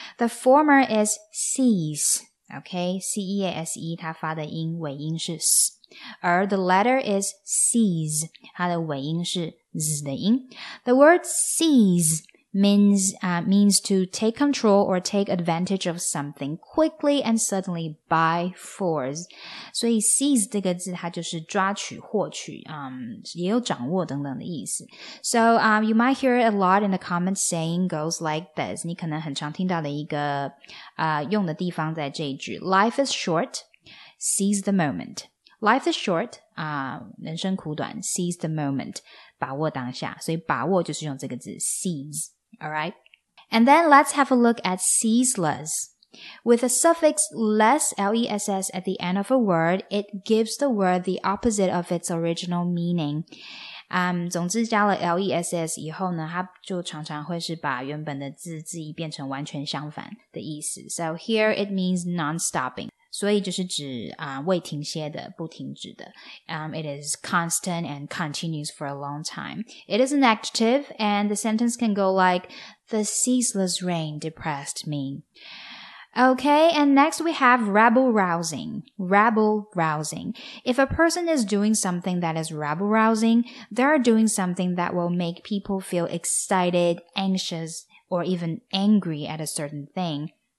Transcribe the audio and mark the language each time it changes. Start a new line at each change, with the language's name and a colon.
English: The former is seize. Okay, C-E-A-S-E,
Chinese: 它发的音尾音是
English: S, 而 the letter is seize,
Chinese: 它的尾音是
English: Z 的音。 The word seize means to take control or take advantage of something quickly and suddenly by force.
Chinese: 所以 seize 这个字它就是抓取、获取、也有掌握等等的意思。
English: So, you might hear it a lot in the comments saying goes like this.
Chinese: 你可能很常听到的一个、用的地方在这一句。
English: Life is short, seize the moment. Life is short,、
Chinese: 人生苦短
English: seize the moment,
Chinese: 把握当下。所以把握就是用这个字 seize.
English: All right. And then let's have a look at ceaseless. With a suffix less, L-E-S-S, at the end of a word, it gives the word the opposite of its original meaning.
Chinese: 总之加了 L-E-S-S 以后呢，它就常常会是把原本的字字义变成完全相反的意思。
English: So here it means non-stopping.
Chinese: 所以就是指、未停歇的、不停止的。
English: It is constant and continues for a long time. It is an adjective, and the sentence can go like, the ceaseless rain depressed me. Okay, and next we have rabble-rousing. Rabble-rousing. If a person is doing something that is rabble-rousing, they are doing something that will make people feel excited, anxious, or even angry at a certain thing.